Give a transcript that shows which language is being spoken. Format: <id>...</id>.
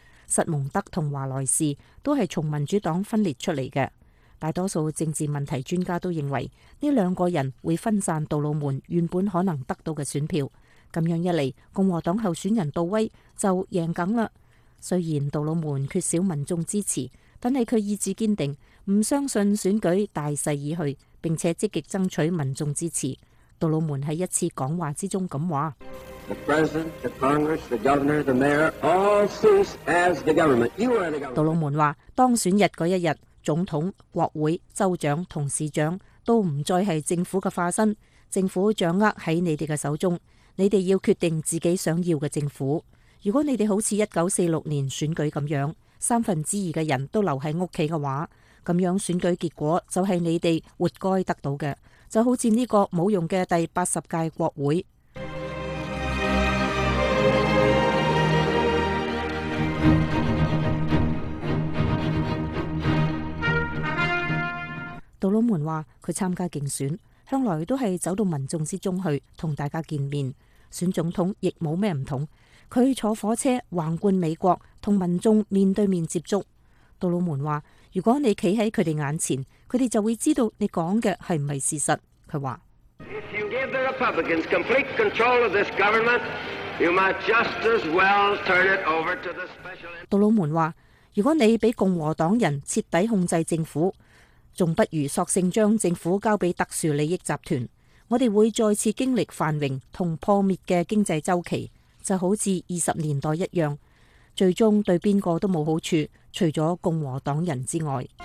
<zh>塞蒙德和华莱士都是从民主党分裂出来的，大多数政治问题专家都认为这两个人会分散杜鲁门原本可能得到的选票，这样一来共和党候选人杜威就赢定了。虽然杜鲁门缺少民众支持，但是他意志坚定，不相信选举大势已去，并且积极争取民众支持。杜鲁门在一次讲话之中这话：</zh> <en>The President, the Congress, the Governor, the Mayor, all cease as the government. You are the government.</en> <zh>杜鲁门说，当选日那一日，总统、国会、州长和市长都不再是政府的化身，政府掌握在你们的手中，你们要决定自己想要的政府。如果你们好像1946年选举那样，三分之二的人都留在家的话，这样选举结果就是你们活该得到的，就好像这个没有用的第80届国会。杜鲁门说，他参加竞选向来都是走到民众之中去跟大家见面，选总统亦没什么不同，他坐火车横贯美国跟民众面对面接触。杜鲁门说，如果你站在他们眼前，他们就会知道你说的是不是事实。他说，</zh> <en>If you give the Republicans complete control of this government, you might just as well turn it over to the special interest.</en> <zh>杜鲁门说，如果你被共和党人彻底控制政府，还不如索性将政府交给特殊利益集团，我们会再次经历繁荣和破灭的经济周期，就好像20年代一样，最终对哪个都没好处，除了共和党人之外。</zh>